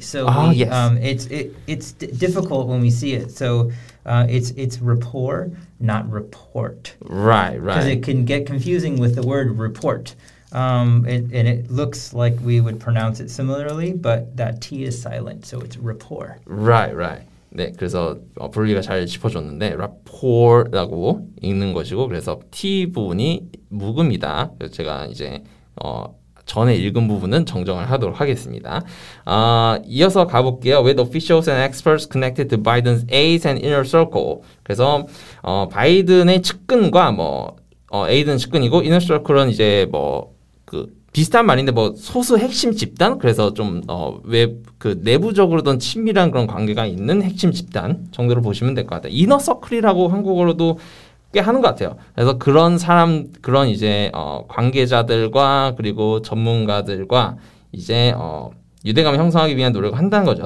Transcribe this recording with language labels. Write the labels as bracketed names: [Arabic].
[English] So it's difficult when we see it. So it's rapport, not report. Right, right. Because it can get confusing with the word report. And it looks like we would pronounce it similarly, but that T is silent, so it's rapport. Right, right. [Korean] 네, 그래서 브리가 잘 짚어줬는데 rapport라고 읽는 것이고 그래서 T 부분이 묵음이다. 제가 이제 전에 읽은 부분은 정정을 하도록 하겠습니다. 이어서 가볼게요. [English] With officials and experts connected to Biden's aides and inner circle. [Korean] 그래서 바이든의 측근과 뭐 에이든 측근이고 inner circle은 이제 뭐 그 비슷한 말인데 뭐 소수 핵심 집단 그래서 좀 웹 그 내부적으로든 친밀한 그런 관계가 있는 핵심 집단 정도로 보시면 될 것 같아요. inner circle이라고 한국어로도 꽤 하는 것 같아요. 그래서 그런 사람 그런 이제 관계자들과 그리고 전문가들과 이제 유대감을 형성하기 위한 노력을 한다는 거죠.